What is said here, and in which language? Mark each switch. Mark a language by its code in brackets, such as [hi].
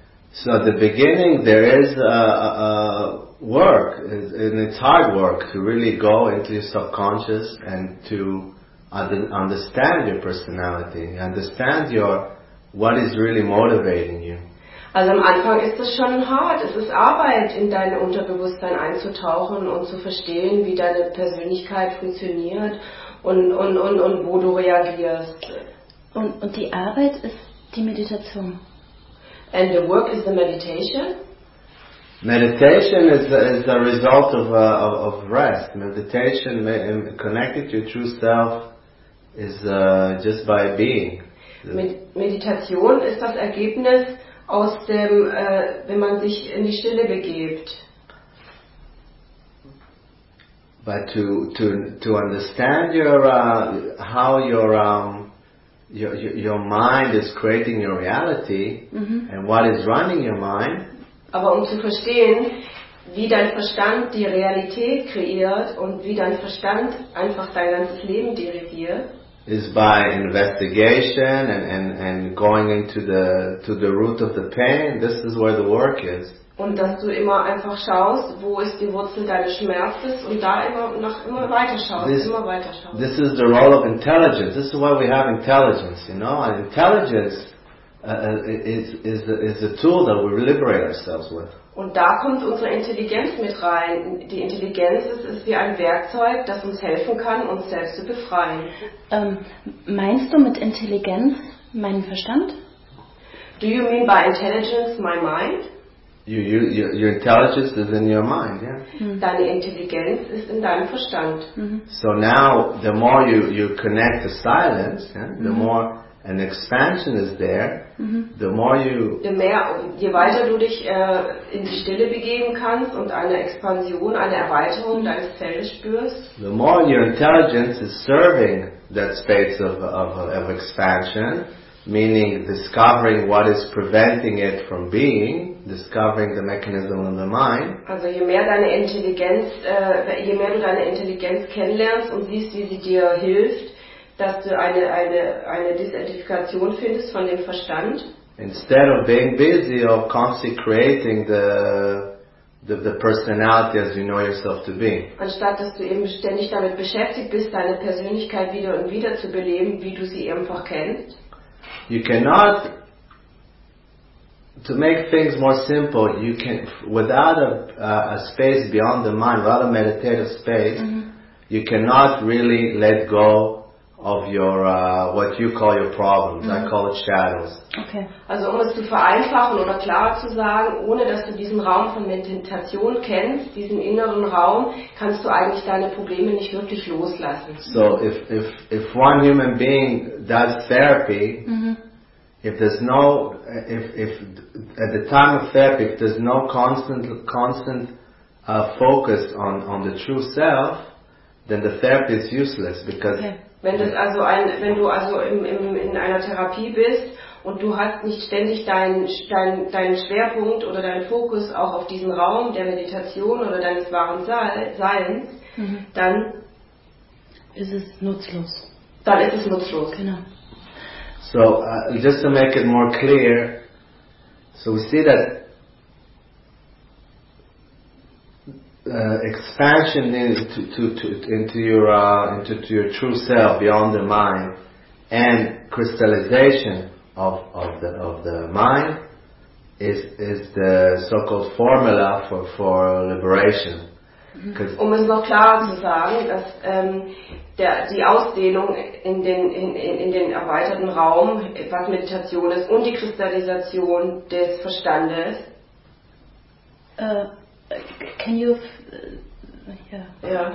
[en] So at the beginning there is a work, and it's hard work to really go into your subconscious and to understand your personality, understand what is really motivating you. [de] Also am Anfang ist es schon hart, es ist Arbeit, in dein Unterbewusstsein einzutauchen und zu verstehen, wie deine Persönlichkeit funktioniert und wo du reagierst. Und die Arbeit ist die Meditation. [en] And the work is the meditation. Meditation is the result of rest. Meditation, connected to your true self, is just by being. [de] Meditation ist das Ergebnis aus dem, wenn man sich in die Stille begibt. [en] But to understand your mind is creating your reality, mm-hmm. and what is running your mind. [de] Aber um zu verstehen, wie dein Verstand die Realität kreiert und wie dein Verstand einfach dein ganzes Leben dirigiert, [en] is by investigation and going into the root of the pain. This is where the work is. [de] Und dass du immer einfach schaust, wo ist die Wurzel deines Schmerzes, und da immer weiter schaust. [en] This is the role of intelligence. This is why we have intelligence, you know. And intelligence is a tool that we liberate ourselves with. [de] Und da kommt unsere Intelligenz mit rein. Die Intelligenz ist wie ein Werkzeug, das uns helfen kann, uns selbst zu befreien. Meinst du mit Intelligenz meinen Verstand? [en] Do you mean by intelligence my mind? Your intelligence is in your mind, yeah. [de] Deine Intelligenz ist in deinem Verstand. Mm-hmm. [en] So now, the more you connect to silence, yeah, the mm-hmm. more an expansion is there, mm-hmm. the more you... [de] Je weiter du dich in die Stille begeben kannst und eine Expansion, eine Erweiterung deines Feldes spürst, [en] the more your intelligence is serving that space of expansion, meaning discovering what is preventing it from being, discovering the mechanism in the mind. [de] Also je mehr du deine Intelligenz kennenlernst und siehst, wie sie dir hilft, dass du eine Disidentifikation findest von dem Verstand. [en] Instead of being busy or constantly creating the personality as you know yourself to be. [de] Anstatt dass du eben ständig damit beschäftigt bist, deine Persönlichkeit wieder und wieder zu beleben, wie du sie einfach kennst. [en] You cannot, to make things more simple, you can, without a space beyond the mind, without a meditative space, mm-hmm. you cannot really let go of your what you call your problems. Mm-hmm. I call it shadows. Okay. [de] Also um es zu vereinfachen oder klarer zu sagen, ohne dass du diesen Raum von Meditation kennst, diesen inneren Raum, kannst du eigentlich deine Probleme nicht wirklich loslassen. [en] So if one human being does therapy, mm-hmm. if there's no if at the time of therapy if there's no constant focus on the true self, then the therapy is useless because okay. [de] Wenn du in einer Therapie bist und du hast nicht ständig deinen Schwerpunkt oder deinen Fokus auch auf diesen Raum der Meditation oder deines wahren Seins, mhm. dann ist es nutzlos. Dann ist es nutzlos. Genau. [en] So, just to make it more clear, so we see that expansion into your true self beyond the mind and crystallization of the mind is the so-called formula for liberation. [de] Um es noch klarer zu sagen, dass die Ausdehnung in den erweiterten Raum, was Meditation ist, und die Kristallisation des Verstandes. [en] Can you? Yeah.